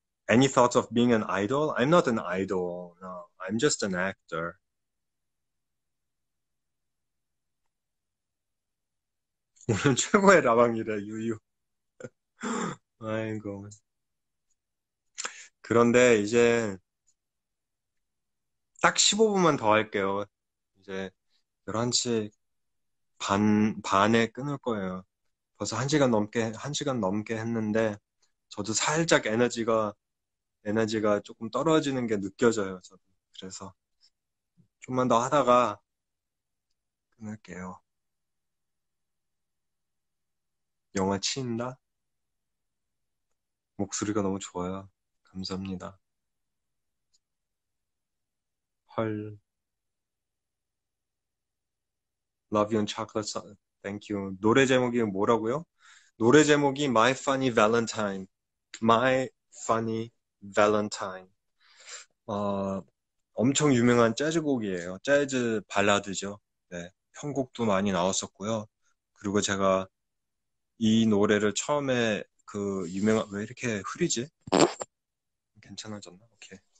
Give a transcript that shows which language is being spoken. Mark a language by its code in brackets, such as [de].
[en] Any thoughts of being an idol? I'm not an idol. No, I'm just an actor. [ko] 오늘 최고의 라방이래, 유유. 아이고. 그런데 이제 딱 15분만 더 할게요. 이제 11시 반에 끊을 거예요. 벌써 1시간 넘게 했는데 저도 살짝 에너지가 조금 떨어지는 게 느껴져요, 저도. 그래서 좀만 더 하다가 끊을게요. 영화 치인다. 목소리가 너무 좋아요. 감사합니다. 헐. [en] Love you and chocolate. Thank you. 노래 제목이 뭐라고요? [ko] 노래 제목이 My Funny Valentine. [en] My Funny Valentine. [ko] 엄청 유명한 재즈곡이에요. 재즈 발라드죠. 네. 편곡도 많이 나왔었고요. 그리고 제가 이 노래를 처음에 왜 이렇게 흐리지? 괜찮아졌나? 오케이.